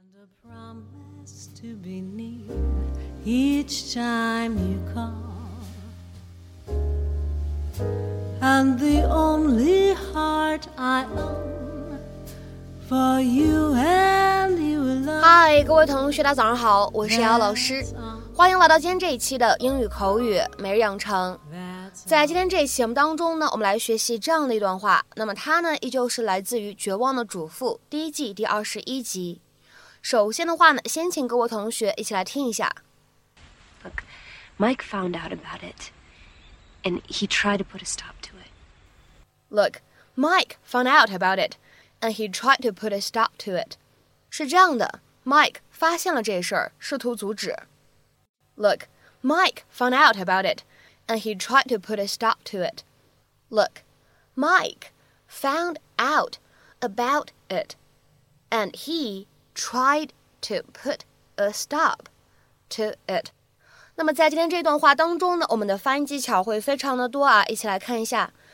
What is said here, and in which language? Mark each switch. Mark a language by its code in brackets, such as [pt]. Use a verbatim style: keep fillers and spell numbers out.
[en] a promise to be near each time you call. And the only heart I own for you and you alone. [zh] 嗨，各位同学，大家早上好，我是瑶瑶老师，欢迎来到今天这一期的英语口语每日养成。在今天这一期节目当中呢，我们来学习这样的一段话。那么它呢，依旧是来自于《绝望的主妇》第一季第二十一集。首先的话呢，先请各位同学一起来听一下。 [en] Look, Mike found out about it, and he tried to put a stop to it. Look, Mike found out about it, and he tried to put a stop to it. [zh] 是这样的 ，Mike 发现了这事儿，试图阻止。 [en] Look, Mike found out about it. And he tried to put a stop to it. Look, Mike found out about it, and he tried to put a stop to it. [zh] 那么在今天这段话当中呢，我们的发音技巧会非常的多啊，一起来看一下。